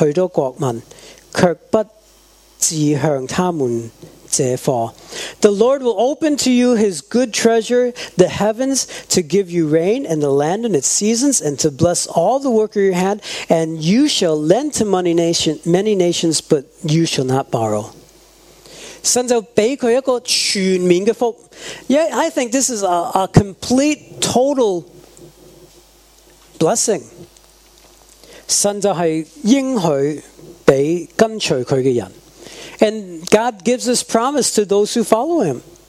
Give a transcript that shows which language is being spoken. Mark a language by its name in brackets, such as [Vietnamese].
[Chinese] 耶和华必为你开天上的库房，按时降雨在你的地上，在你手里所办的一切上赐福于你，你必借给许多国民，却不 [English] The Lord will open to you his good treasure, the heavens, to give you rain and the land in its seasons, and to bless all the work of your hand, and you shall lend to many nations, but you shall not borrow. [Chinese] 神就给他一个全面的福. [English] Yeah, I think this is a complete, total blessing. [Chinese] 神就是应许给跟随他的人. [English] And God gives this promise to those who follow him.